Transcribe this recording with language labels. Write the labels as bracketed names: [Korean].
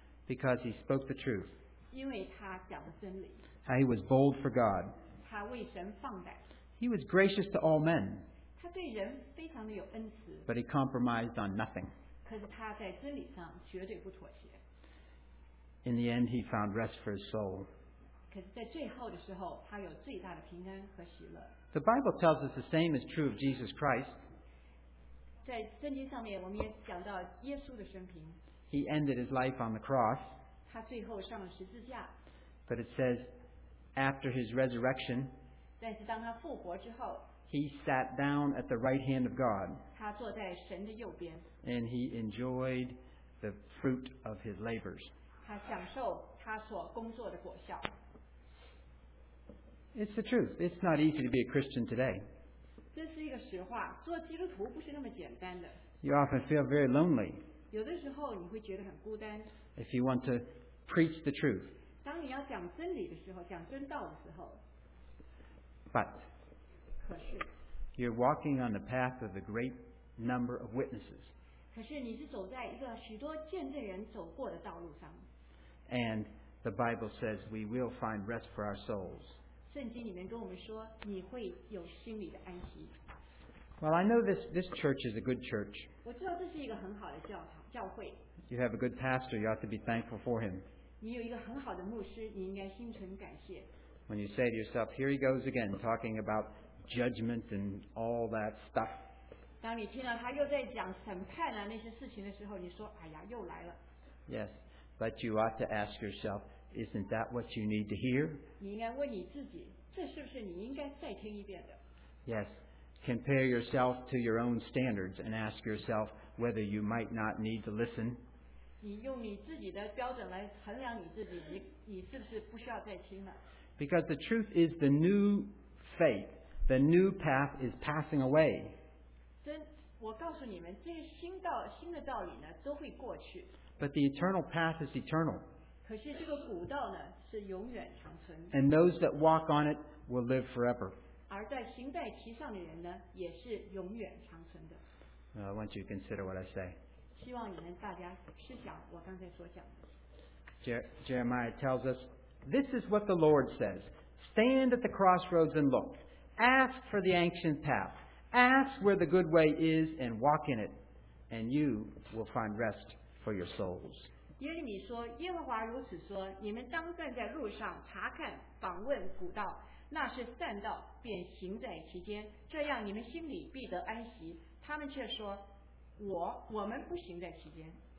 [English] Because he spoke the truth. [Chinese] 因为他讲的真理。 [English] He was bold for God. [Chinese] 他为神放胆。 [English] He was gracious to all men. [Chinese] 他对人非常的有恩慈。 [English] But he compromised on nothing. [Chinese] 可是他在真理上绝对不妥协。 [English] In the end, he found rest for his soul. [Chinese] 可是在最后的时候，他有最大的平安和喜乐。 [English] The Bible tells us the same is true of Jesus Christ. [Chinese] 在圣经上面我们也讲到耶稣的生平。 [English] He ended his life on the cross. [Chinese] 他最后上了十字架。 [English] But it says, after his resurrection, [Chinese] 但是当他复活之后, [English] he sat down at the right hand of God. [Chinese] 他坐在神的右边。 [English] And he enjoyed the fruit of his labors. [Chinese] 他享受他所工作的果效。 [English] It's the truth. It's not easy to be a Christian today. [Chinese] 这是一个实话, 做基督徒不是那么简单的。 [English] You often feel very lonely. [Chinese] 有的时候你会觉得很孤单。 [English] If you want to preach the truth. [Chinese] 当你要讲真理的时候, 讲真道的时候, [English] but [Chinese] 可是, [English] you're walking on the path of a great number of witnesses. [Chinese] 可是你是走在一个许多见证人走过的道路上。 [English] And the Bible says we will find rest for our souls. [Chinese] 圣经里面跟我们说，你会有心里的安息。 [English] Well, I know this church is a good church. [Chinese] 我知道这是一个很好的教会。 [English] You have a good pastor. You ought to be thankful for him. [Chinese] 你有一个很好的牧师，你应该心存感谢。 [English] When you say to yourself, "Here he goes again, talking about judgment and all that stuff." [Chinese] 当你听到他又在讲审判啊那些事情的时候，你说，哎呀，又来了。 [English] Yes, but you ought to ask yourself, "Isn't that what you need to hear?" [Chinese] 你应该问你自己，这是不是你应该再听一遍的 [English] ？Yes. Compare yourself to your own standards and ask yourself whether you might not need to listen. [Chinese] 你用你自己的标准来衡量你自己，你是不是不需要再听了？ [English] Because the truth is the new faith, the new path is passing away. [Chinese] 真，我告诉你们，这个新的道理呢，都会过去。 [English] But the eternal path is eternal. [Chinese] 可是这个古道呢，是永远长存。 [English] And those that walk on it will live forever. [Chinese] 而在行在其上的人呢，也是永远长存的。 [English] I want you to consider what I say. [Chinese] 希望你们大家思想我刚才所讲的。 [English] Jeremiah tells us, "This is what the Lord says: Stand at the crossroads and look. Ask for the ancient path. Ask where the good way is and walk in it, and you will find rest for your souls." [Chinese] 耶利米说，耶和华如此说：你们当站在路上查看、访问古道。那是善道，便行在其间，这样你们心里必得安息。他们却说，我们不行在其间。